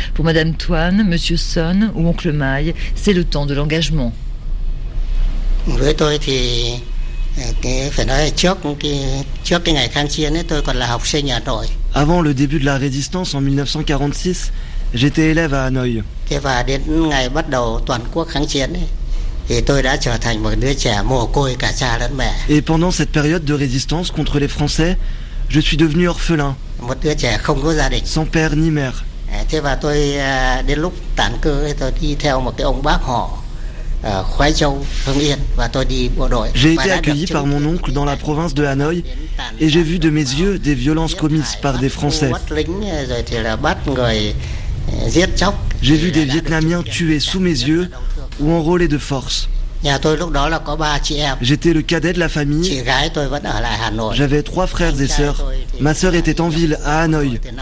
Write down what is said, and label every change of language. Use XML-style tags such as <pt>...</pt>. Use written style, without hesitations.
<fr>Pour Madame Toine, Monsieur Son ou Oncle Mai, c'est le temps de l'engagement. Avant le début de la résistance en 1946, j'étais élève à Hanoï.</fr> <vi>Thế và đến ngày bắt đầu toàn quốc kháng chiến ấy, thì tôi đã trở thành một đứa trẻ mồ côi cả cha lẫn mẹ.</vi> <fr>Et pendant cette période de résistance contre les Français, je suis devenu orphelin.</fr> <vi>Một đứa trẻ không có gia đình.</vi> <fr>Sans père ni mère.</fr> <vi>Thế và tôi đến lúc tản cư thì tôi đi theo một cái ông bác họ Khoái Châu, Hưng Yên và tôi đi bộ đội.</vi> <fr>J'ai été accueilli par mon oncle dans la province de Hanoï et j'ai vu de mes yeux des violences commises par des Français.</fr> <vi>Bắt lính rồi thì là bắt người giết chóc.</vi> <fr>J'ai vu des Vietnamiens tués sous mes yeux ou enrôlés de force. J'étais le cadet de la famille. J'avais 3 frères et sœurs. Ma sœur était en ville, à Hanoï.</fr>